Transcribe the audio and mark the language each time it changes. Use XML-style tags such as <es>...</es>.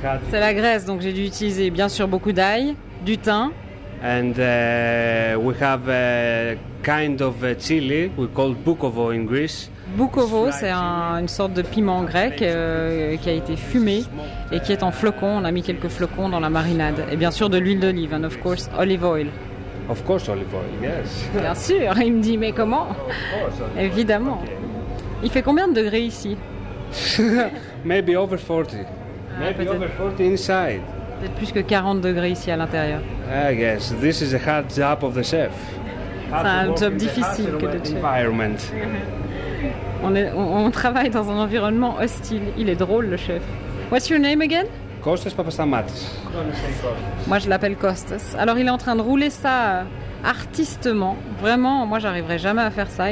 <fr>C'est la graisse, donc j'ai dû utiliser, bien sûr, beaucoup d'ail, du thym.</fr> <en>And we have a kind of a chili, we call boukovo in Greece.</en> <fr>Boukovo, c'est une sorte de piment grec qui a été fumé et qui est en flocons. On a mis quelques flocons dans la marinade. Et bien sûr, de l'huile d'olive,</fr> <en>and of course, olive oil. Of course, olive oil, yes.</en> <fr>Bien sûr, il me dit, mais comment ? Évidemment. Il fait combien de degrés ici ?</fr> <en>Maybe over 40. Maybe over 40 inside.</en> <fr>Peut-être plus que 40 degrés ici à l'intérieur.</fr> <en>Ah, yes, this is a hard job of the chef.</en> <fr>C'est un job difficile que de chef. On travaille dans un environnement hostile. Il est drôle, le chef.</fr> <en>What's your name again?</en> <fr>Kostas Papastamatis. Moi, je l'appelle Kostas. Alors, il est en train de rouler ça artistement. Vraiment, moi, j'arriverai jamais à faire ça.</fr>